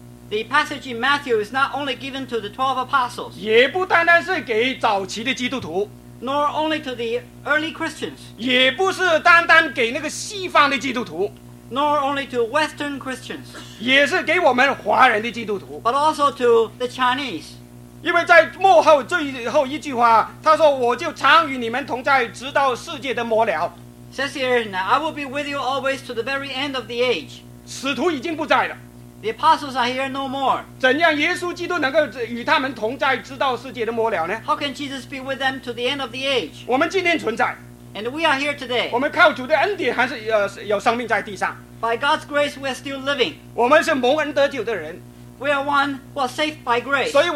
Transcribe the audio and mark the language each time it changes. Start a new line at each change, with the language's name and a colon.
English: The passage in Matthew is not only given to the 12 apostles.
Chinese: 也不单单是给早期的基督徒。
English: Nor only to the early Christians.
Chinese: 也不是单单给那个西方的基督徒。
English: Nor only to Western Christians.
Chinese: 也是给我们华人的基督徒。
English: But also to the Chinese.
Chinese: 因为在幕后最后一句话，他说：“我就常与你们同在，直到世界的末了。”
English: Says here, now I will be with you always to the very end of the age.
Chinese: 使徒已经不在了。
English: The apostles are here no more.
Chinese: 怎样耶稣基督能够与他们同在，直到世界的末了呢？
English: How can Jesus be with them to the end of the age?
Chinese: 我们今天存在。
English: And we are here today.
Chinese: 我们靠主的恩典还是有生命在地上。
English: By God's grace, we are still living.
Chinese: 我们是蒙恩得救的人。
English: We are one who are saved by grace.